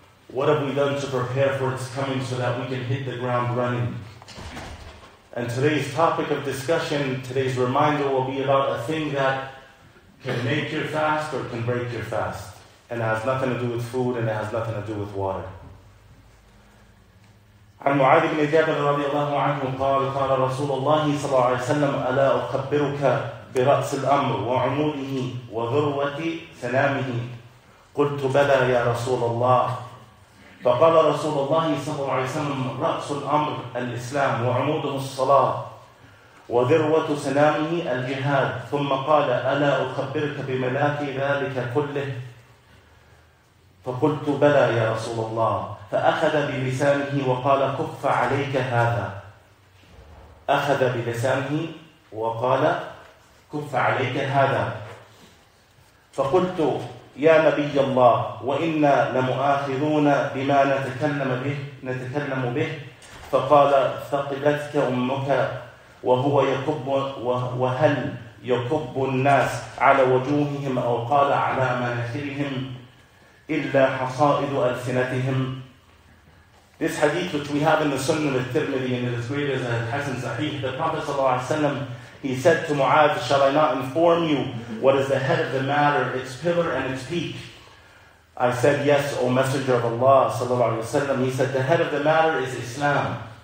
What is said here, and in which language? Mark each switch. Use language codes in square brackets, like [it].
[en] What have we done to prepare for its coming so that we can hit the ground running? And today's topic of discussion, today's reminder will be about a thing that can make your fast or can break your fast. And it has nothing to do with food and it has nothing to do with water. [ar] عن معاذ بن جابر رضي الله عنه قال قال رسول الله صلى الله عليه وسلم ألا أخبرك برأس الأمر وعموده وذروة سنامه قلت بلى يا رسول الله فقال رسول الله صلى الله عليه وسلم رأس الأمر الإسلام وعموده الصلاة وذروة سنامه الجهاد ثم قال ألا أخبرك بملاك ذلك كله فقلت بلى يا رسول الله فأخذ بلسانه وقال كف عليك هذا أخذ بلسانه وقال كف عليك هذا فقلت يا نبي الله وإنا لمؤاخذون بما نتكلم به فقال ثقلتك أمك وهو يكب وهل يكب الناس على وجوههم أو قال على مناخرهم إلا حصائد ألسنتهم. [en] This hadith which we have in the Sunnah of Tirmidhi and it is great as a Hassan Sahih, the Prophet Sallallahu Alaihi Wasallam, he said to Mu'adh, shall I not inform you what is the head of the matter, its pillar and its peak? I said, yes, O Messenger of Allah Sallallahu Alaihi Wasallam. He said, the head of the matter is Islam.